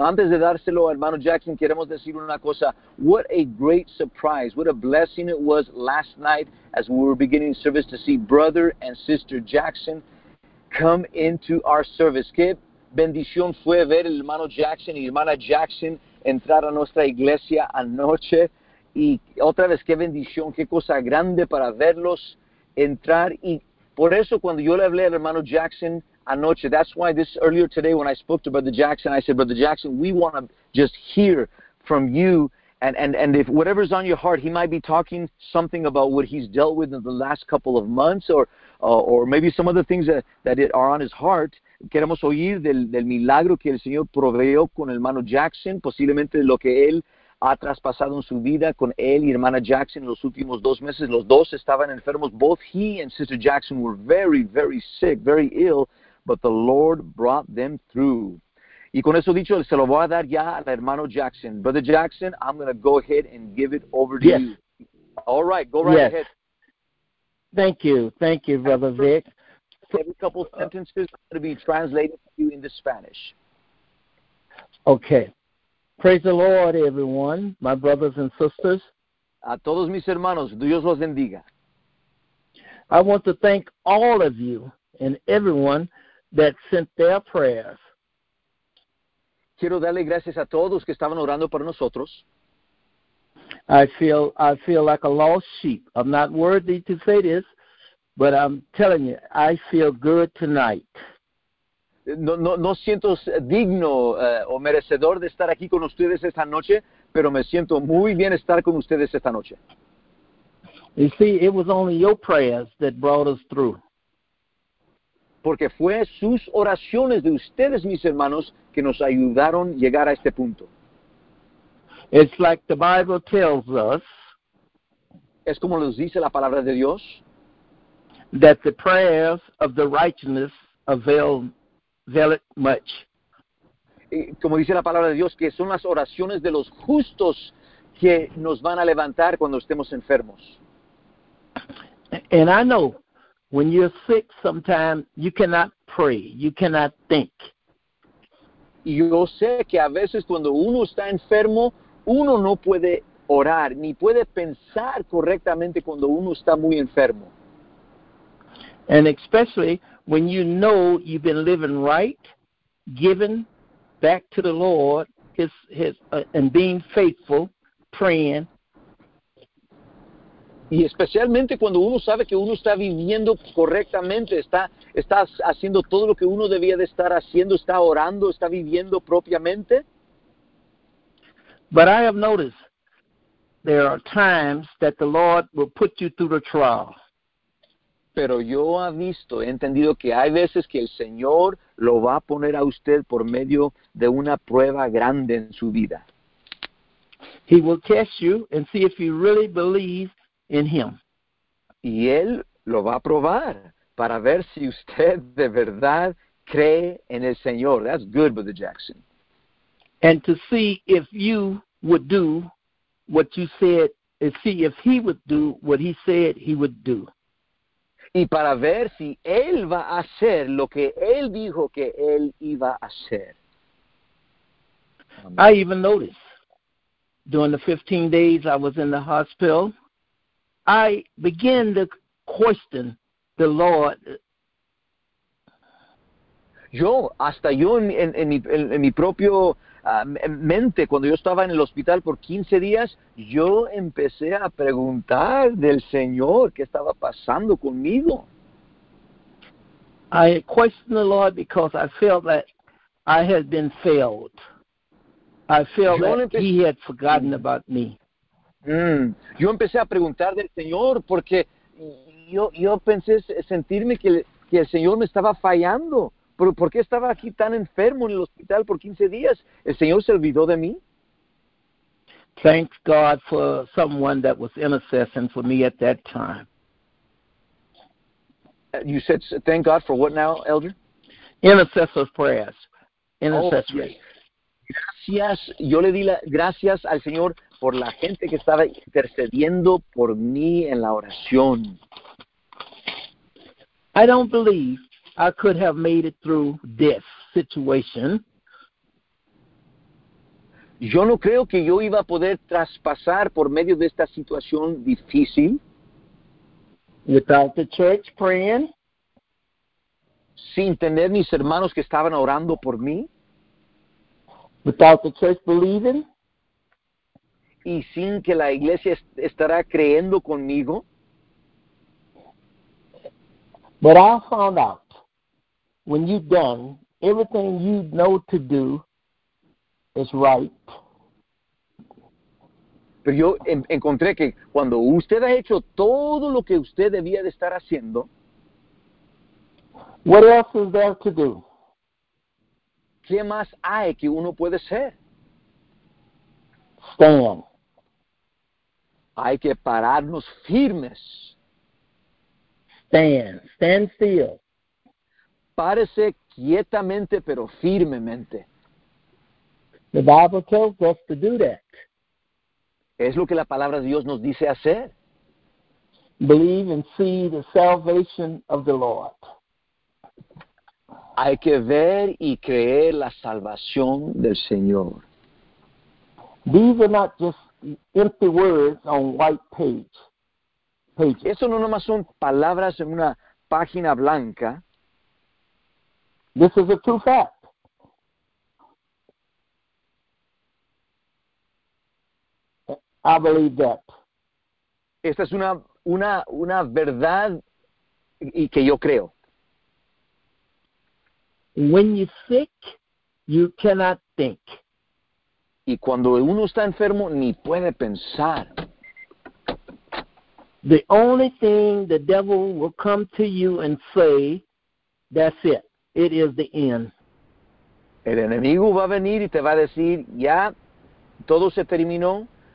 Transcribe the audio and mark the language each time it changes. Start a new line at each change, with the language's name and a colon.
Spanish: Antes de dárselo a hermano Jackson, queremos decir una cosa.
English: What a great surprise. What a blessing it was last night as we were beginning service to see Brother and Sister Jackson come into our service.
Spanish: Qué bendición fue ver el hermano Jackson y hermana Jackson entrar a nuestra iglesia anoche. Y otra vez, qué bendición, qué cosa grande para verlos entrar. Y por eso cuando yo le hablé al hermano Jackson anoche,
English: that's why this earlier today when I spoke to Brother Jackson, I said, Brother Jackson, we want to just hear from you. And if whatever's on your heart, he might be talking something about what he's dealt with in the last couple of months or maybe some of the things that are on his heart.
Spanish: Queremos oír del milagro que el Señor proveyó con el hermano Jackson, posiblemente lo que él ha traspasado en su vida con él y hermana Jackson en los últimos 2 meses. Los dos estaban enfermos.
English: Both he and Sister Jackson were very, very sick, very ill, but the Lord brought them through.
Spanish: Y con eso dicho, se lo voy a dar ya al hermano Jackson.
English: Brother Jackson, I'm going to go ahead and give it over to yes. you. All right, go right yes. ahead. Thank you. Thank you, Brother Vic. Every couple sentences are going to be translated to you into Spanish. Okay. Praise the Lord, everyone, my brothers and sisters.
Spanish: A todos mis hermanos, Dios los bendiga.
English: I want to thank all of you and everyone that sent their prayers.
Spanish: Quiero darle gracias a todos que estaban orando por nosotros.
English: I feel like a lost sheep. I'm not worthy to say this, but I'm telling you, I feel good tonight.
Spanish: No siento digno o merecedor de estar aquí con ustedes esta noche, pero me siento muy bien estar con ustedes esta noche.
English: You see, it was only your prayers that brought us through.
Spanish: Porque fue sus oraciones de ustedes, mis hermanos, que nos ayudaron a llegar a este punto.
English: It's like the Bible tells us.
Spanish: Es como nos dice la palabra de Dios.
English: That the prayers of the righteous avail much.
Spanish: Como dice la palabra de Dios, que son las oraciones de los justos que nos van a levantar cuando estemos enfermos.
English: And I know. When you're sick, sometimes you cannot pray, you cannot think.
Spanish: Yo sé que a veces cuando uno está enfermo, uno no puede orar, ni puede pensar correctamente cuando uno está muy enfermo.
English: And especially when you know you've been living right, giving back to the Lord, and being faithful, praying.
Spanish: Y especialmente cuando uno sabe que uno está viviendo correctamente, está haciendo todo lo que uno debía de estar haciendo, está orando, está viviendo propiamente.
English: But I have noticed there are times that the Lord will put you through the trial.
Spanish: Pero yo he entendido que hay veces que el Señor lo va a poner a usted por medio de una prueba grande en su vida.
English: He will test you and see if you really believe in him.
Spanish: Y él lo va a probar para ver si usted de verdad cree en el Señor.
English: That's good, Brother Jackson. And to see if you would do what you said, and see if he would do what he said he would do.
Spanish: Y para ver si él va a hacer lo que él dijo que él iba a hacer.
English: I even noticed during the 15 days I was in the hospital, I began to question the Lord.
Spanish: Yo, hasta en mi propia mente, cuando yo estaba en el hospital por 15 días, yo empecé a preguntar del Señor qué estaba pasando conmigo.
English: I questioned the Lord because I felt that I had been failed. I felt that he had forgotten about me.
Spanish: Yo empecé a preguntar del Señor porque yo pensé sentirme que el Señor me estaba fallando. ¿Por qué estaba aquí tan enfermo en el hospital por 15 días? ¿El Señor se olvidó de mí?
English: Thank God for someone that was intercessing for me at that time. You said thank God for what now, Elder? Intercessor's prayers. Intercessory.
Spanish: Gracias, yo le di las gracias al Señor por la gente que estaba intercediendo por mí en la oración.
English: I don't believe I could have made it through this situation.
Spanish: Yo no creo que yo iba a poder traspasar por medio de esta situación difícil.
English: Without the church praying.
Spanish: Sin tener mis hermanos que estaban orando por mí.
English: Without the church believing.
Spanish: Y sin que la iglesia estará creyendo conmigo.
English: But I found out, when you've done everything you know to do, is right.
Spanish: Pero yo encontré que cuando usted ha hecho todo lo que usted debía de estar haciendo,
English: what else is there to do?
Spanish: ¿Qué más hay que uno puede ser?
English: Stand.
Spanish: Hay que pararnos firmes.
English: Stand. Stand still.
Spanish: Párese quietamente, pero firmemente.
English: The Bible tells us to do that.
Spanish: Es lo que la palabra de Dios nos dice hacer.
English: Believe and see the salvation of the Lord.
Spanish: Hay que ver y creer la salvación del Señor.
English: These are not just empty words on white pages.
Spanish: Eso no nomás son palabras en una página blanca.
English: This is a true fact. I believe that.
Spanish: Esta es una verdad y que yo creo.
English: When you're sick, you cannot think.
Spanish: Y cuando uno está enfermo, ni puede pensar.
English: The only thing the devil will come to you and say, that's it. It is the end.
Spanish: El enemigo va a venir y te va a decir, ya, todo se terminó.